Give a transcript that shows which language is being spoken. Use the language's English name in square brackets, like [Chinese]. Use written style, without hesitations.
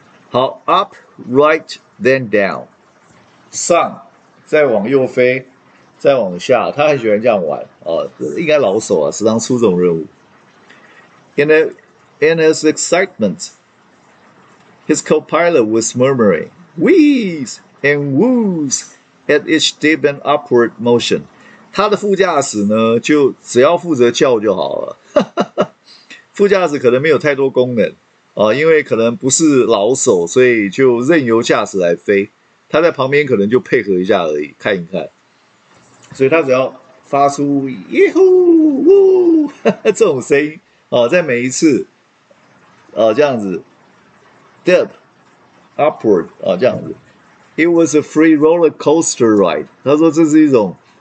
[Chinese] 好 ， [English] up, right, then down， [Chinese] 上，再往右飞，再往下。他很喜欢这样玩哦，应该老手啊，时常出这种任务。 [English] In his excitement, his co-pilot was murmuring "wheeze" and "woos" at each dip and upward motion。 [Chinese] 他的副驾驶呢，就只要负责叫就好了。副驾驶可能没有太多功能啊，因为可能不是老手，所以就任由驾驶来飞。他在旁边可能就配合一下而已，看一看。所以他只要发出“耶呼呼”这种声音啊，在每一次啊这样子 ，dip upward 啊这样子 ， [English] it was a free roller coaster ride。 [Chinese] 他说这是一种。